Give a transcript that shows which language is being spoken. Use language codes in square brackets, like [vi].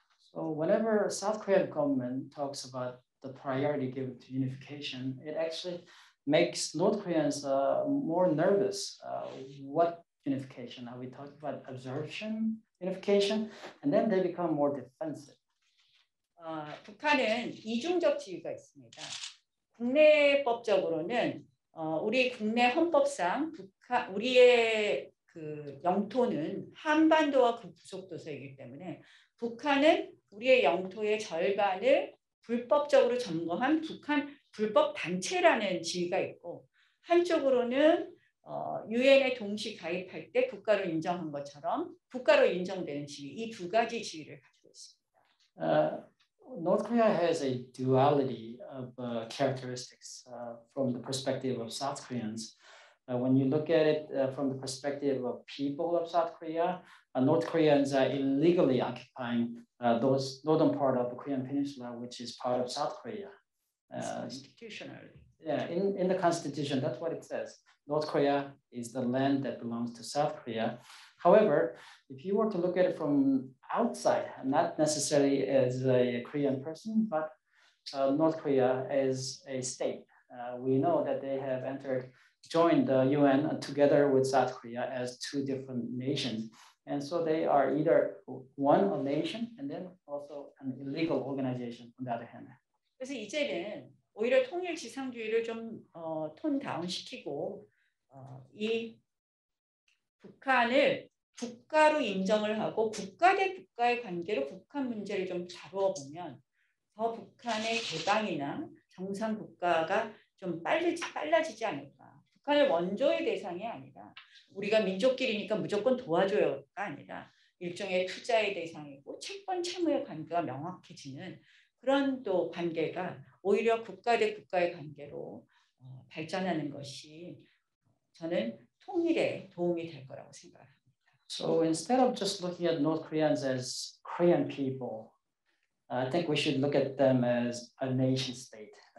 [en] So whenever South Korean government talks about the priority given to unification, it actually makes North Koreans more nervous. What unification? Are we talking about absorption unification? And then they become more defensive. [ko] 북한은 이중적 지위가 있습니다. 국내법적으로는 우리 국내 헌법상 북한 우리의 그 영토는 한반도와 그 부속도서이기 때문에 북한은 우리의 영토의 절반을 불법적으로 점거한 북한 불법 단체라는 지위가 있고 한쪽으로는 UN에 동시 가입할 때 국가로 인정한 것처럼 국가로 인정되는 지위 이 두 가지 지위를 가지고 있습니다. [en] North Korea has a duality of characteristics from the perspective of South Koreans. When you look at it from the perspective of people of South Korea, North Koreans are illegally occupying those northern part of the Korean Peninsula, which is part of South Korea. Constitutionally. Yeah, in the constitution, that's what it says. North Korea is the land that belongs to South Korea. However, if you were to look at it from outside, not necessarily as a Korean person, but North Korea as a state, we know that they have joined the UN together with South Korea as two different nations. And so they are either one a nation and then also an illegal organization on the other hand. [ko] 그래서 이제는 오히려 통일 지상주의를 좀 톤 다운 시키고 이 북한을 국가로 인정을 하고 국가 대 국가의 관계로 북한 문제를 좀 다루어 보면 더 북한의 개방이나 정상 국가가 좀 빨라지지 않을까. 북한을 원조의 대상이 아니라 우리가 민족끼리니까 무조건 도와줘요가 아니라 일종의 투자의 대상이고 채권 채무의 관계가 명확해지는 그런 또 관계가 오히려 국가 대 국가의 관계로 발전하는 것이 저는 통일에 도움이 될 거라고 생각합니다. [en] So instead of just looking at North Koreans as Korean people, I think we should look at them as a nation state.